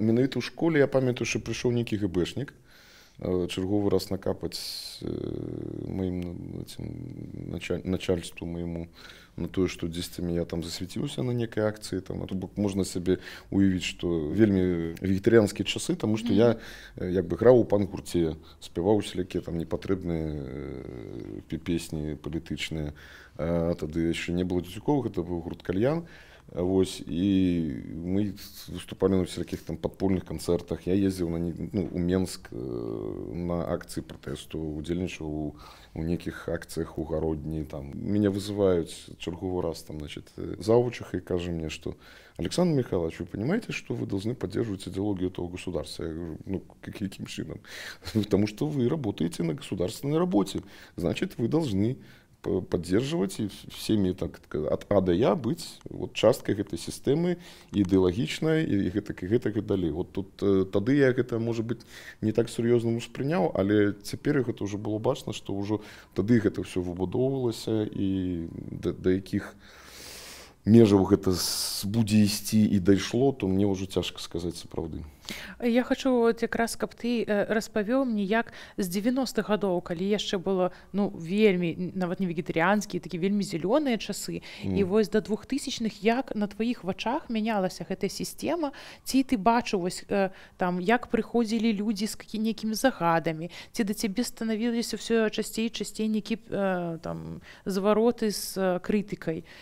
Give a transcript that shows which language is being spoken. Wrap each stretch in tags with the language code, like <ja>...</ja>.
<be>Менавіта ў школе я памятаю, што прыйшоў некі ГБшнік, чарговы раз накапаць маім гэтым начальству майму на тое, што дзесьці я там засвяціўся на некай акцыі, там, а то бок можна сабе уявіць, што вельмі вегетарыянскія часы, таму што я як бы граў у панк-гурце, спяваў усялякі там непатрэбныя песні палітычныя. А тады яшчэ не было дзюцюкоў, гэта быў гурт Кальян. Вось, і мы выступалі на всякіх там падпольных канцэртах. Я ездзіў на, ну, у Менск на акцыі пратэсту, удзельнічаў у некіх акцыях у гародні там. Мяне вызываюць чарговы раз там,</be> <ru>значит, завучыха і кажа мне, што Александр Михайлович, вы понимаете, что вы должны поддерживать идеологию этого государства? Я говорю, ну, каким чином? Потому что вы работаете на государственной работе. Значит, вы должны поддерживать и всеми так от А до Я быть вот часткой этой системы идеологичной и далее. Вот тут тады я это, может быть, не так серьезно воспринял, але теперь это уже было бачно, что уже тады это все выбудовывалось и до каких межаў гэта будзе ісці</ru> <be>і дайшло, то мне ўжо цяжка сказаць сапраўды. Я хачу от якраз, каб ты распавёў мне, як з 90-х гадоў, калі яшчэ было, ну, вельмі, нават не вегетарыянскія, такі вельмі зялёныя часы, і вось да 2000-х, як на тваіх вачах мянялася гэтая сістэма, ці ты бачыў вось там, як прыходзілі людзі з нейкімі загадамі, ці да цябе станавіліся ўсё часцей і часцей нейкі там звароты з крытыкай.</be>